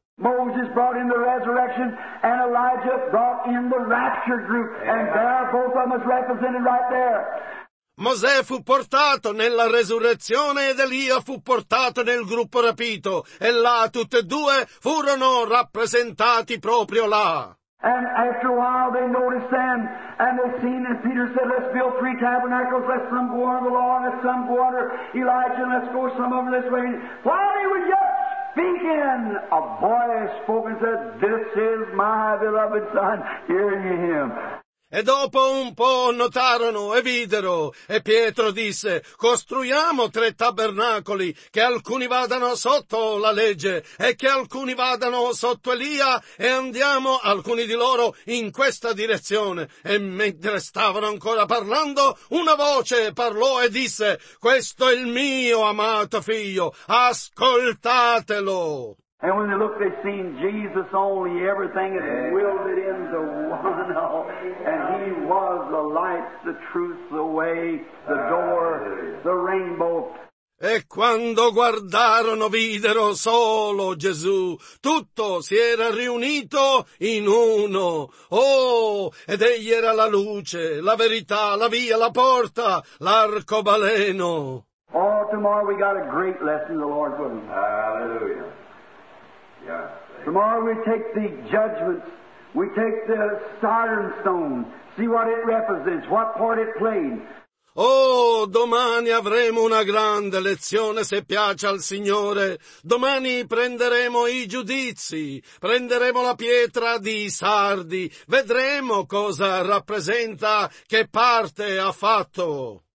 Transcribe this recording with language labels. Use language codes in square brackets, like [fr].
[en] Moses brought in the resurrection, and Elijah brought in the rapture group, and there both of them is represented right there. [it] Mosè fu portato nella resurrezione ed Elia fu portato nel gruppo rapito, e là tutte e due furono rappresentati proprio là. [en] And after a while they noticed them, and they seen, and Peter said, "Let's build three tabernacles, let some go under the law, let some go under Elijah, and let's go some over this way." While they were yet speaking, a voice spoke and said, "This is my beloved son, hear ye him." [it] E dopo un po' notarono e videro, e Pietro disse: "Costruiamo tre tabernacoli, che alcuni vadano sotto la legge, e che alcuni vadano sotto Elia, e andiamo alcuni di loro in questa direzione." E mentre stavano ancora parlando, una voce parlò e disse: "Questo è il mio amato figlio, ascoltatelo." [en] And when they looked, they seen Jesus only, everything is wielded into one. And he was the light, the truth, the way, the door, the rainbow. [it] E quando guardarono, videro solo Gesù. Tutto si era riunito in uno. Oh, ed egli era la luce, la verità, la via, la porta, l'arcobaleno. [en] Oh, tomorrow we got a great lesson, the Lord's with us. Hallelujah. Yeah. Tomorrow we take the judgments, we take the siren stone, see what it represents, what part it played. [it] Oh, domani avremo una grande lezione, se piace al Signore. Domani prenderemo i giudizi, prenderemo la pietra di Sardi, vedremo cosa rappresenta, che parte ha fatto.